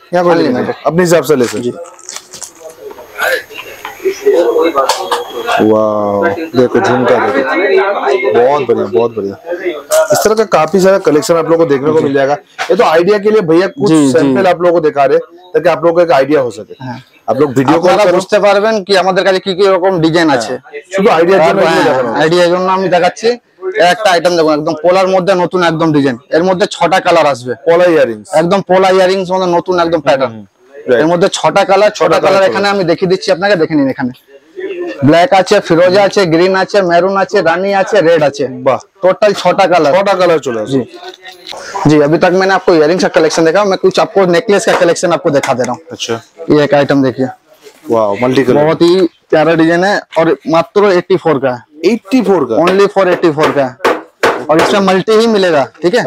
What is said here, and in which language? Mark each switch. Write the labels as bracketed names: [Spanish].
[Hindi] यहाँ कोई लिमिट है, अपने हिसाब से ले सकते। वाओ देखो झुमका, देखो बहुत बढ़िया, बहुत बढ़िया। इस तरह का काफी सारा कलेक्शन आप लोगों को देखने को मिल जाएगा। ये तो आइडिया के लिए भैया कुछ सैंपल आप लोगों को दिखा रहे ताकि आप लोगों को एक आइडिया हो सके। आप लोग वीडियो कॉल [Bangla] कर बुझते পারবেন কি আমাদের কাছে কি কি রকম ডিজাইন আছে। শুধু আইডিয়া জন্য আমি দেখাবো, আইডিয়া জন্য আমি দেখাচ্ছি। একটা আইটেম দেখুন একদম পোলার মধ্যে নতুন একদম ডিজাইন, এর মধ্যে 6টা কালার আসবে, পোলার ইয়ারিংস একদম, পোলার ইয়ারিংস মানে নতুন একদম প্যাটার্ন, এর মধ্যে 6টা কালার, 6টা কালার এখানে আমি দেখিয়ে দিচ্ছি আপনাকে, দেখে নিন। এখানে ব্ল্যাক আছে, ফিরোজা আছে, গ্রিন আছে, মেরুন আছে, রানী আছে, রেড আছে, বাহ টোটাল 6টা কালার, 6টা কালার চলে আসবে জি। [Hindi] জি अभी तक मैंने आपको ইয়ারিংস का कलेक्शन देखा, मैं कुछ आपको नेकलेस का कलेक्शन आपको दिखा दे रहा हूं। अच्छा ये एक आइटम देखिए, वाओ मल्टी कलर, बहुत ही प्यारा डिजाइन है और मात्र 84 का है, 84 का ओनली फॉर 84 का है, और इसमें मल्टी ही मिलेगा, ठीक है।